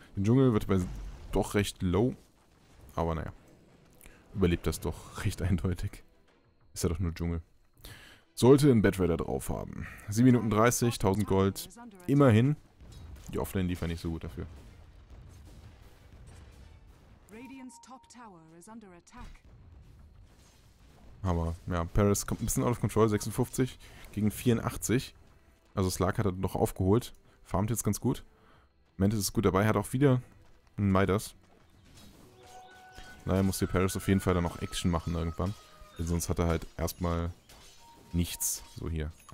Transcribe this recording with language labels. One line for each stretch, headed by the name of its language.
German: Den Dschungel wird bei doch recht low, aber naja. Überlebt das doch recht eindeutig. Ist ja doch nur Dschungel. Sollte ein Batrider drauf haben. 7 Minuten 30, 1000 Gold, immerhin. Die Offlane liefern nicht so gut dafür.
English: Top Tower is under attack.
German: Aber ja, Perez kommt ein bisschen
English: out of control.
German: 56 gegen 84. Also Slark hat er noch aufgeholt. Farmt jetzt ganz gut. Mantis ist gut dabei. Hat auch wieder einen Midas. Naja, muss hier Perez auf jeden Fall dann noch Action machen irgendwann. Denn sonst hat er halt erstmal nichts. So hier.